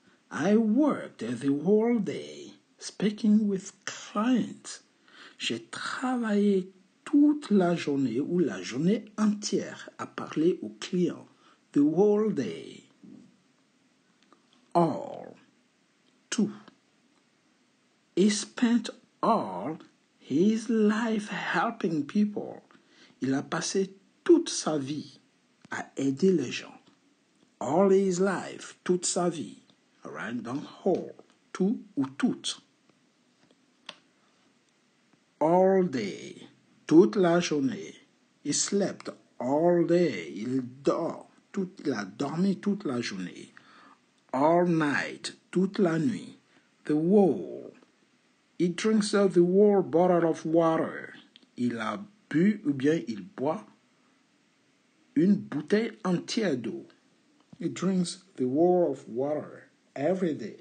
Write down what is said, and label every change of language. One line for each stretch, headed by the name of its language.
English: I worked the whole day speaking with clients.
French: J'ai travaillé toute la journée ou la journée entière à parler aux clients.
English: The whole day. All. Tout. He spent all his life helping people.
French: Il a passé toute sa vie à aider les gens.
English: All his life,
French: toute sa vie.
English: All right, don't hold.
French: Tout ou toute.
English: All day,
French: toute la journée.
English: He slept all day.
French: Il dort. Il a dormi toute la journée.
English: All night,
French: toute la nuit.
English: The whole. He drinks the whole bottle of water.
French: Il a bu ou bien il boit une bouteille entière d'eau.
English: He drinks the whole of water every day.